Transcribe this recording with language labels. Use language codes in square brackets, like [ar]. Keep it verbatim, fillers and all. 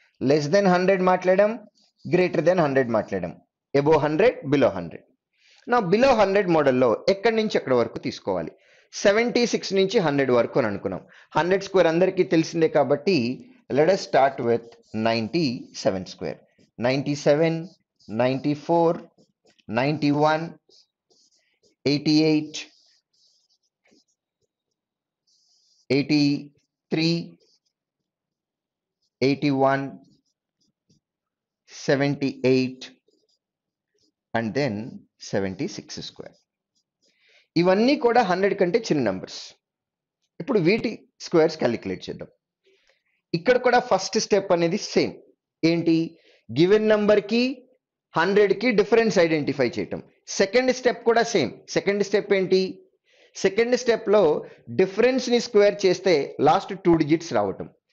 [te] Less than hundred మాట్లాడాం, greater than hundred మాట్లాడాం. Above hundred, below hundred. నా below hundred మోడల్లో ఎక్కడి నుంచి ఎక్కడి వరకు తీసుకోవాలి? సెవెంటీ సిక్స్ నుంచి హండ్రెడ్ వరకు అని అనుకున్నాం. హండ్రెడ్ స్క్వేర్ అందరికీ తెలిసిందే కాబట్టి [en] let us start with ninety-seven square. ninety-seven, ninety-four, ninety-one, eighty-eight, eighty-three, eighty-one, seventy-eight and then seventy-six square. [te] ఇవన్నీ కూడా హండ్రెడ్ కంటే చిన్న నంబర్స్. ఇప్పుడు వీటి స్క్వేర్స్ క్యాలిక్యులేట్ చేద్దాం. ఇక్కడ కూడా ఫస్ట్ స్టెప్ అనేది సేమ్. ఏంటి? గివెన్ నెంబర్కి హండ్రెడ్కి డిఫరెన్స్ ఐడెంటిఫై చేయటం. సెకండ్ స్టెప్ కూడా సేమ్. సెకండ్ స్టెప్ ఏంటి? సెకండ్ స్టెప్లో డిఫరెన్స్ని స్క్వేర్ చేస్తే లాస్ట్ టూ డిజిట్స్ రావటం.